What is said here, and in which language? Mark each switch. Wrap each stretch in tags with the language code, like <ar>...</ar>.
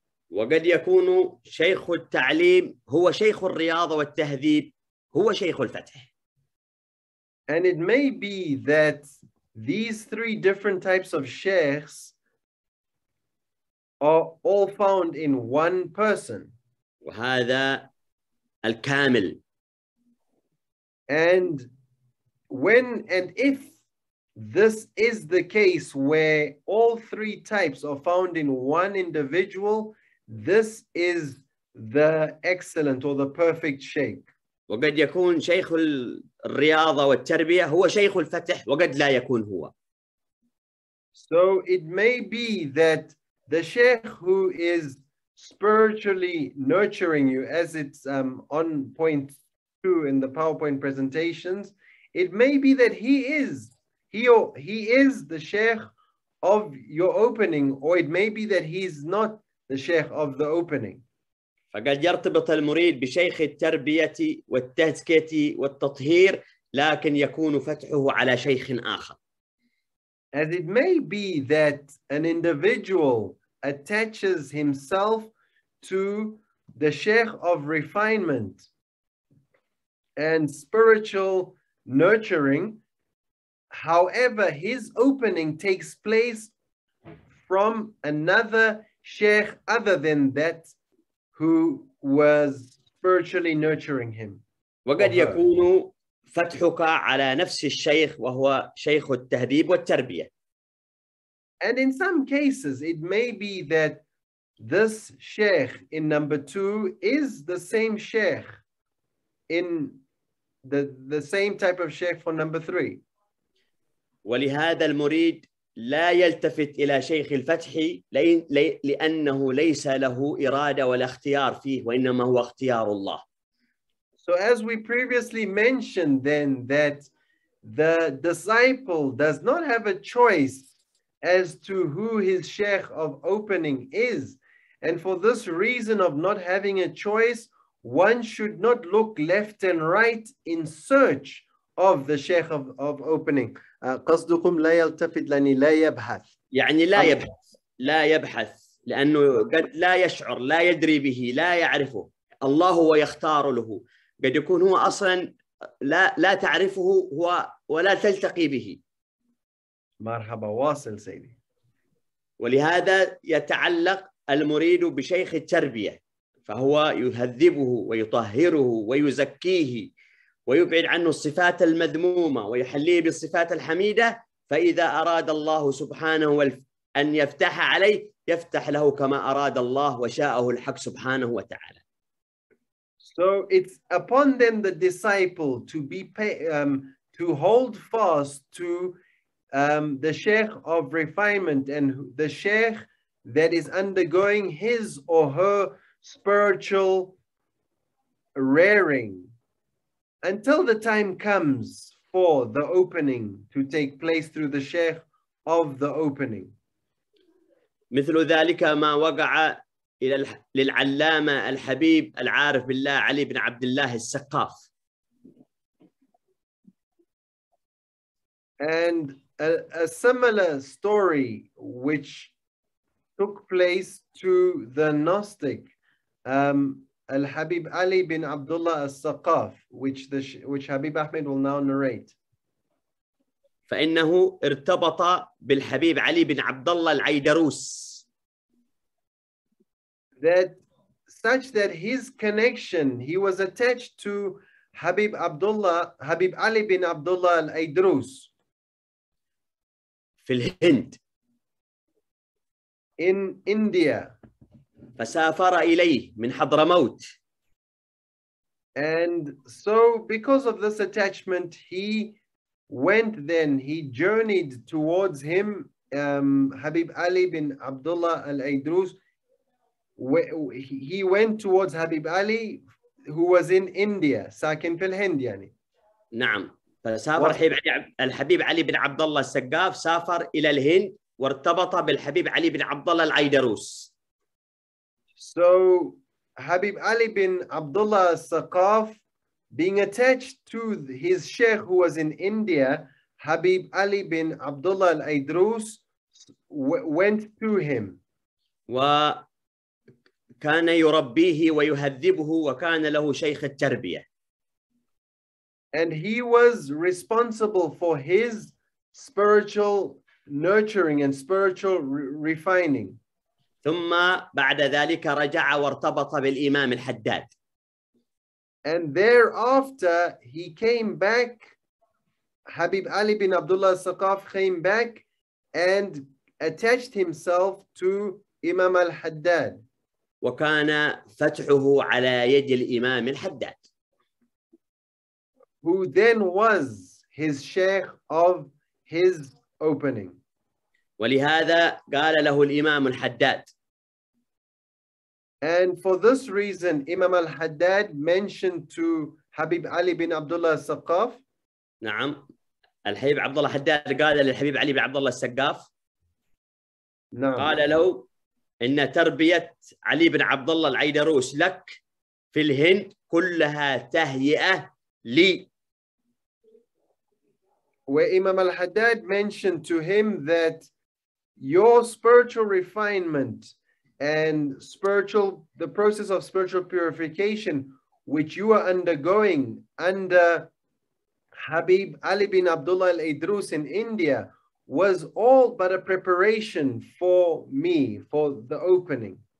<ar>وقد يكون شيخ التعليم هو شيخ الرياضة والتهذيب هو شيخ الفتح.</ar> <en>And it may be that these three different types of sheikhs are all found in one person.</en> <ar>وهذا الكامل.</ar> <en>And when and if this is the case where all three types are found in one individual, this is the excellent or the perfect sheikh.</en> <ar>وقد يكون شيخ الرياضة والتربية هو شيخ الفتح وقد لا يكون هو.</ar> <en>So it may be that the sheikh who is spiritually nurturing you, as it's on point two in the PowerPoint presentations, it may be that he is the sheikh of your opening, or it may be that he's not the sheikh of the opening.</en> <ar>فقد يرتبط المريد بشيخ التربية والتزكية والتطهير لكن يكون فتحه على شيخ آخر.</ar> <en>As it may be that an individual attaches himself to the sheikh of refinement and spiritual nurturing, however, his opening takes place from another sheikh other than that who was spiritually nurturing him.</en> <ar>وقد يكون فتحك على نفس الشيخ وهو شيخ التهذيب والتربية.</ar> <en>And in some cases, it may be that this sheikh in number two is the same sheikh in the same type of sheikh for number three.</en> <ar>ولهذا المريد لا يلتفت إلى شيخ الفتح لأنه ليس له إرادة ولا اختيار فيه وإنما هو اختيار الله.</ar> <en>So as we previously mentioned then that the disciple does not have a choice as to who his sheikh of opening is, and for this reason of not having a choice, one should not look left and right in search of the sheikh of opening.</en> <ar>قصدكم لا يلتفت لأني لا يبحث, يعني لا يبحث, لا يبحث لأنه قد لا يشعر, لا يدري به, لا يعرفه, الله هو يختار له, قد يكون هو أصلا لا تعرفه ولا تلتقي به. مرحبا واصل سيدي. ولهذا يتعلق المريد بشيخ التربية، فهو يهذبه ويطهره ويزكيه ويبعد عنه الصفات المذمومة ويحليه بالصفات الحميدة، فإذا أراد الله سبحانه أن يفتح عليه يفتح له كما أراد الله وشاءه الحق سبحانه وتعالى.</ar> <en>So it's upon them the disciple to be to hold fast to the sheikh of refinement and the sheikh that is undergoing his or her spiritual rearing until the time comes for the opening to take place through the sheikh of the opening.</en> <ar>مثل ذلك ما وقع إلى للعلامة الحبيب العارف بالله علي بن عبد الله السقاف.</ar> <en>And a similar story which took place to the Gnostic الحبيب علي بن عبد الله السقاف which Habib Ahmed will now narrate.</en> <ar>فإنه ارتبط بالحبيب علي بن عبد الله العيدروس.</ar> <en>That such that his connection, he was attached to Habib Abdullah, Habib Ali bin Abdullah al-Aydrus.</en> <ar>في الهند.</ar> <en>In India.</en> <ar>فسافر إليه من حضرموت.</ar> <en>And so because of this attachment, he went then, he journeyed towards him, Habib Ali bin Abdullah al-Aydrus. He went towards Habib Ali, who was in India,</en> <ar>ساكن في الهند يعني. نعم. فسافر الحبيب علي بن عبد الله السقاف سافر إلى الهند وارتبط بالحبيب علي بن عبد الله العيدروس.</ar> <en>So Habib Ali bin Abdullah السقاف, being attached to his sheikh who was in India, Habib Ali bin Abdullah العيدروس went to him.</en> <ar>و كان يربيه ويهذبه وكان له شيخ التربية.</ar> <en>And he was responsible for his spiritual nurturing and spiritual refining.</en> <ar>ثم بعد ذلك رجع وارتبط بالإمام الحداد.</ar> <en>And thereafter he came back, Habib Ali bin Abdullah al-Saqaf came back and attached himself to Imam al-Haddad.</en> <ar>وكان فتحه على يد الإمام الحداد.</ar> <en>Who then was his sheikh of his opening.</en> <ar>ولهذا قال له الإمام الحداد.</ar> <en>And for this reason Imam al-Haddad mentioned to Habib Ali bin Abdullah al-Saqaf.</en> <ar>نعم. الحبيب عبد الله الحداد قال للحبيب علي بن عبد الله السقاف. نعم. قال له إن تربية علي بن عبد الله العيدروس لك في الهند كلها تهيئة لي.</ar> <en>وإمام الحداد mentioned to him that your spiritual refinement and spiritual the process of spiritual purification which you are undergoing under Habib Ali bin Abdullah العيدروس in India was all but a preparation for me, for the opening.</en>